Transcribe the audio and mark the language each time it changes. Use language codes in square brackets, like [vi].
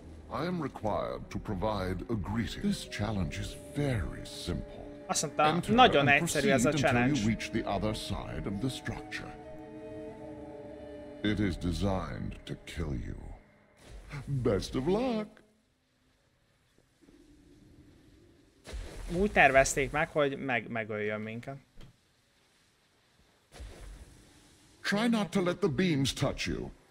[en] I am required to provide a greeting. This challenge is very simple. [hu] Azt mondta, nagyon egyszerű ez a challenge. [en] Until you reach the other side of the structure. It is designed to kill you. Best of luck. [hu] Úgy tervezték meg, hogy megöljön minket. [en] Try not to let the beams touch you.